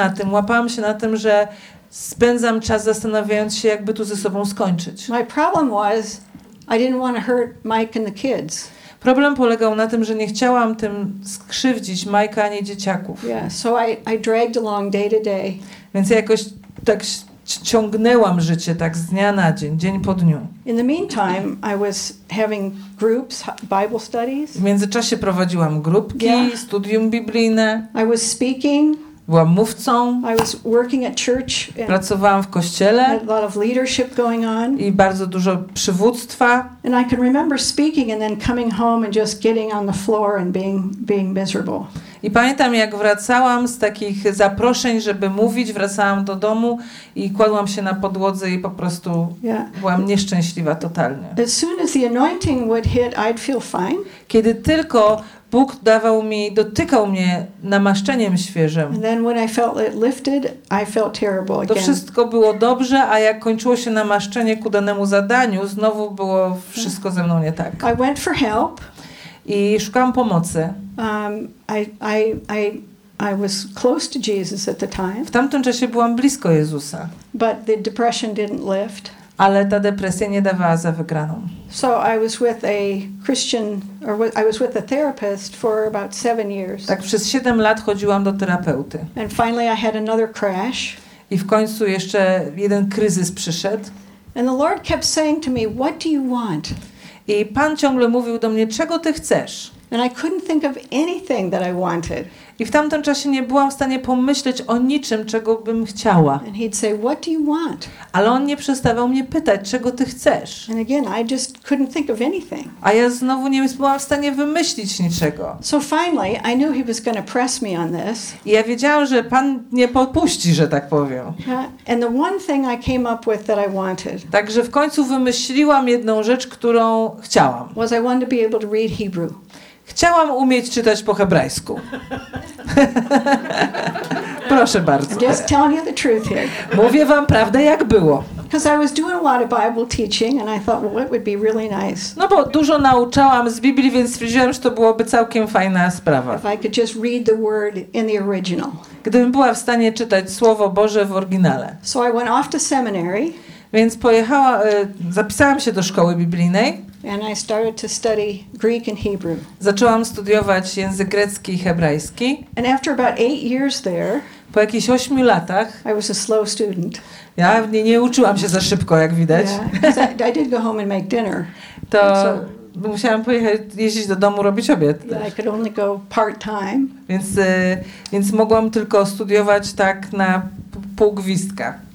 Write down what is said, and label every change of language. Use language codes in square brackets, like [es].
[pl] Łapałam się na tym, że spędzam czas zastanawiając się, jakby tu ze sobą skończyć. [en] My problem was, I didn't want to hurt Mike and the kids. [pl] Problem polegał na tym, że nie chciałam tym skrzywdzić Majka ani dzieciaków. [en] Yeah, so I dragged along day to day. [pl] Więc ja jakoś tak ciągnęłam życie tak z dnia na dzień, dzień po dniu. [en] In the meantime, I was having groups, Bible studies. [pl] W międzyczasie prowadziłam grupki, yeah. Studium biblijne. [en] I was speaking. [pl] Byłam mówcą. [en] I was working at church. [pl] Pracowałam w kościele. [en] Had a lot of leadership going on. [pl] I bardzo dużo przywództwa. [en] And I can remember speaking and then coming home and just getting on the floor and being miserable. [pl] I pamiętam, jak wracałam z takich zaproszeń, żeby mówić, wracałam do domu i kładłam się na podłodze i po prostu byłam nieszczęśliwa totalnie. [en] As soon as the anointing would hit, I'd feel fine. [pl] Kiedy tylko Bóg dotykał mnie namaszczeniem świeżym. [en] And then when I felt it lifted, I felt terrible again. [pl] To wszystko było dobrze, a jak kończyło się namaszczenie ku danemu zadaniu, znowu było wszystko ze mną nie tak. [en] I went for help. [pl] I szukałam pomocy. [en] I, I, I, I was close to Jesus at the time. [pl] W tamtym czasie byłam blisko Jezusa. [en] But the depression didn't lift. [pl] Ale ta depresja nie dawała za wygraną. [en] So I was with a Christian, or I was with a therapist for about 7 years. [pl] Tak przez 7 lat chodziłam do terapeuty. [en] And finally I had another crash. [pl] I w końcu jeszcze jeden kryzys przyszedł. [en] And the Lord kept saying to me, "What do you want?" [pl] I Pan ciągle mówił do mnie, czego ty chcesz? [en] And I couldn't think of anything that I wanted. [pl] I w tamtym czasie nie byłam w stanie pomyśleć o niczym, czego bym chciała. [en] And he'd say, "What do you want?" [pl] Ale on nie przestawał mnie pytać, czego ty chcesz. [en] And again, I just couldn't think of anything. [pl] A ja znowu nie byłam w stanie wymyślić niczego. [en] So finally, I knew he was going to press me on this. [pl] I ja wiedziałam, że Pan nie popuści, że tak powiem. [en] Yeah. And the one thing I came up with that I wanted. [pl] Także w końcu wymyśliłam jedną rzecz, którą chciałam. [en] Was I wanted to be able to read Hebrew. [pl] Chciałam umieć czytać po hebrajsku. Proszę bardzo. [en] Just telling you the truth here. [pl] Mówię wam prawdę, jak było. [en] Because I was doing a lot of Bible teaching and I thought, well, it would be really nice. [pl] No bo dużo nauczałam z Biblii, więc stwierdziłam, że to byłoby całkiem fajna sprawa. [en] If I could just read the word in the original. [pl] Gdybym była w stanie czytać Słowo Boże w oryginale. [en] So I went off to seminary. [pl] Więc pojechała, zapisałam się do szkoły biblijnej. [en] And I started to study Greek and Hebrew. [pl] Zaczęłam studiować język grecki i hebrajski. [en] And after about 8 years there, [pl] po jakichś 8 latach, [en] I was a slow student. [pl] Ja nie uczyłam się za szybko, jak widać. [en] Yeah, I did go home and make dinner. [pl] To so, musiałam pojechać, jeździć do domu, robić obiad. [en] Yeah, I could only go part-time. [pl] Więc mogłam tylko studiować tak na pół gwizdka.